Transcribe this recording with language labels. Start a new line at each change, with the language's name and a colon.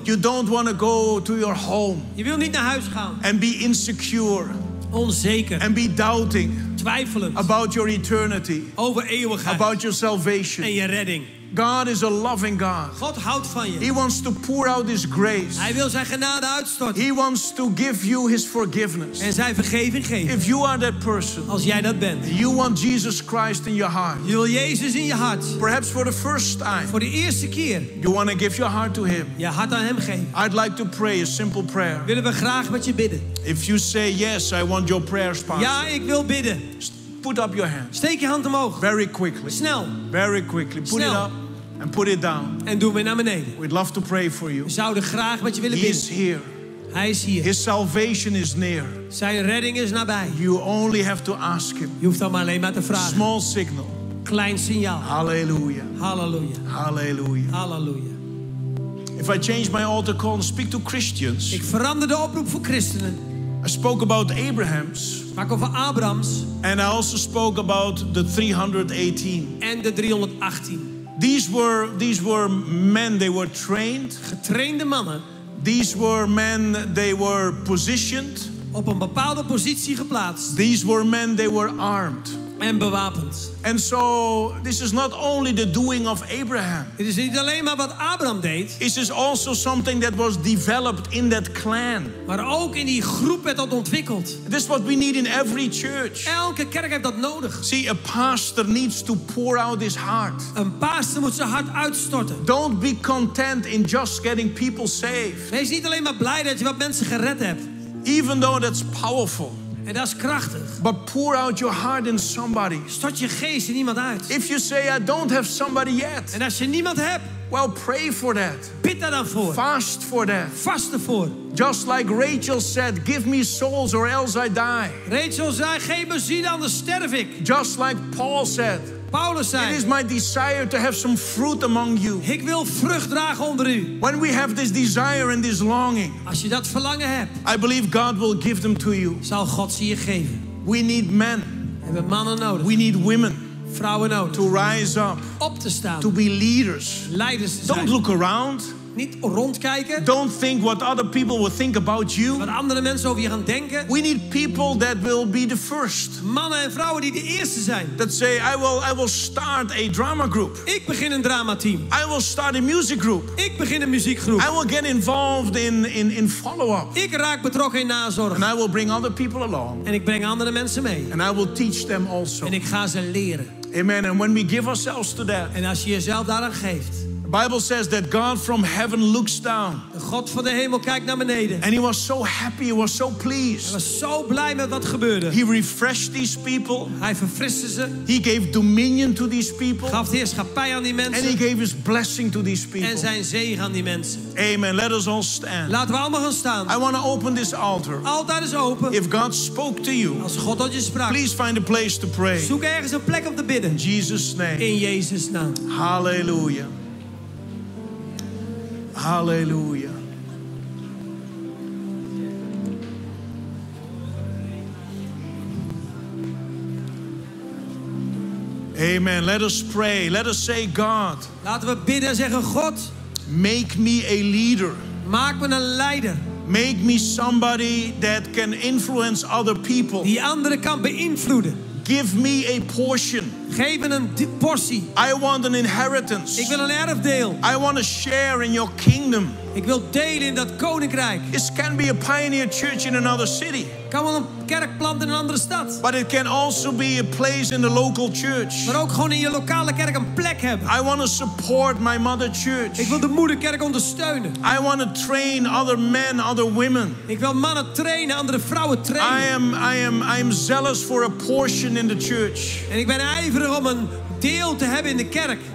English: You don't want to go to your home.
Dutch: Je wil niet naar huis gaan.
English: And be insecure.
Dutch: Onzeker.
English: And be doubting.
Dutch: Twijfelend.
English: About your eternity.
Dutch: Over eeuwigheid.
English: About your salvation.
Dutch: En je redding.
English: God is a loving God.
Dutch: God houdt van je.
English: He wants to pour out his grace.
Dutch: Hij wil zijn genade uitstorten.
English: He wants to give you his forgiveness.
Dutch: En zijn vergeving geven.
English: If you are that person.
Dutch: Als jij dat bent.
English: You want Jesus Christ in your heart.
Dutch: Je wil Jezus in je hart.
English: Perhaps for the first time.
Dutch: Voor de eerste keer.
English: You want to give your heart to him.
Dutch: Je hart aan hem geven.
English: I'd like to pray a simple prayer.
Dutch: Willen we graag met je bidden.
English: If you say yes, I want your prayers, Pastor.
Dutch: Ja, ik wil bidden.
English: Put up your hand.
Dutch: Steek je hand omhoog.
English: Very quickly.
Dutch: Snel.
English: Very quickly. Put
Dutch: Snel.
English: It up and put it down.
Dutch: En doe weer naar beneden.
English: We'd love to pray for you.
Dutch: We zouden graag met je willen bidden.
English: He is here.
Dutch: Hij is hier.
English: His salvation is near.
Dutch: Zijn redding is nabij.
English: You only have to ask him.
Dutch: Je hoeft dan maar alleen maar te vragen.
English: Small signal.
Dutch: Klein signaal.
English: Hallelujah.
Dutch: Hallelujah.
English: Hallelujah.
Dutch: Hallelujah.
English: If I change my altar call and speak to Christians.
Dutch: Ik verander de oproep voor christenen.
English: I spoke about Abraham's.
Dutch: Sprak over Abrahams.
English: And I also spoke about the 318.
Dutch: En de 318.
English: These were men, they were trained.
Dutch: Getrainde mannen.
English: These were men, they were positioned.
Dutch: Op een bepaalde positie geplaatst.
English: These were men, they were armed.
Dutch: En bewapend.
English: And so this is not only the doing of Abraham.
Dutch: Het is niet alleen maar wat Abraham deed.
English: This is also something that was developed in that clan.
Dutch: Maar ook in die groep werd dat ontwikkeld.
English: This is what we need in every church.
Dutch: Elke kerk heeft dat nodig.
English: See, a pastor needs to pour out his heart.
Dutch: Een pastor moet zijn hart uitstorten.
English: Don't be content in just getting people saved.
Dutch: Wees niet alleen maar blij dat je wat mensen gered hebt.
English: Even though that's powerful.
Dutch: En dat is krachtig.
English: But pour out your heart in somebody.
Dutch: Stort je geest in iemand uit.
English: If you say I don't have somebody yet.
Dutch: En als je niemand hebt.
English: Well, pray for that.
Dutch: Bid daar dan voor.
English: Fast for that.
Dutch: Vast ervoor.
English: Just like Rachel said, give me souls or else I die.
Dutch: Rachel zei, geef me ziel anders sterf ik.
English: Just like Paul said.
Dutch: Paulus zei,
English: it is my desire to have some fruit among you.
Dutch: Ik wil vrucht dragen onder u.
English: When we have this desire and this longing,
Dutch: als je dat verlangen hebt,
English: I believe God will give them to you.
Dutch: Zal God ze je geven.
English: We need men.
Dutch: We hebben mannen nodig.
English: We need women.
Dutch: Vrouwen nodig.
English: To rise up.
Dutch: Op te staan.
English: To be leaders.
Dutch: Leiders te zijn.
English: Don't look around.
Dutch: Niet rondkijken.
English: Don't think what other people will think about you.
Dutch: Wat andere mensen over je gaan denken.
English: We need people that will be the first.
Dutch: Mannen en vrouwen die de eerste zijn.
English: That say, I will start a drama group.
Dutch: Ik begin een dramateam.
English: I will start a music group.
Dutch: Ik begin een muziekgroep.
English: I will get involved in follow-up.
Dutch: Ik raak betrokken in nazorg.
English: And I will bring other people along.
Dutch: En ik breng andere mensen mee.
English: And I will teach them also.
Dutch: En ik ga ze leren.
English: Amen. And when we give ourselves to that.
Dutch: En als je jezelf daaraan geeft.
English: Bible says that God from heaven looks down.
Dutch: God van de hemel kijkt naar beneden.
English: And he was so happy, he was so pleased.
Dutch: Hij was zo blij met wat gebeurde.
English: He refreshed these people.
Dutch: Hij verfriste ze.
English: He gave dominion to these people.
Dutch: Gaf de heerschappij aan die mensen.
English: And he gave his blessing to these people.
Dutch: En zijn zegen aan die mensen.
English: Amen. Let us all stand.
Dutch: Laten we allemaal gaan staan.
English: I want to open this altar.
Dutch: Altaar is open.
English: If God spoke to you.
Dutch: Als God tot je sprak.
English: Please find a place to pray.
Dutch: Zoek ergens een plek om te bidden.
English: In Jesus name.
Dutch: In Jezus naam.
English: Hallelujah. Hallelujah. Amen. Let us pray. Let us say God.
Dutch: Laten we bidden en zeggen God.
English: Make me a leader.
Dutch: Maak me een leider.
English: Make me somebody that can influence other people.
Dutch: Die anderen kan beïnvloeden.
English: Give me a portion.
Dutch: Geef me een portie.
English: I want an inheritance.
Dutch: Ik wil een erfdeel.
English: I want to share in your kingdom.
Dutch: Ik wil delen in dat koninkrijk.
English: This can be a pioneer church in another city.
Dutch: Kan wel een kerk planten in een andere stad.
English: But it can also be a place in the local church.
Dutch: Maar ook gewoon in je lokale kerk een plek hebben.
English: I want to support my mother church.
Dutch: Ik wil de moederkerk ondersteunen.
English: I want to train other men, other women.
Dutch: Ik wil mannen trainen, andere vrouwen trainen.
English: I am zealous for a portion in the church.
Dutch: En ik ben ijverig om een deel te hebben in de kerk.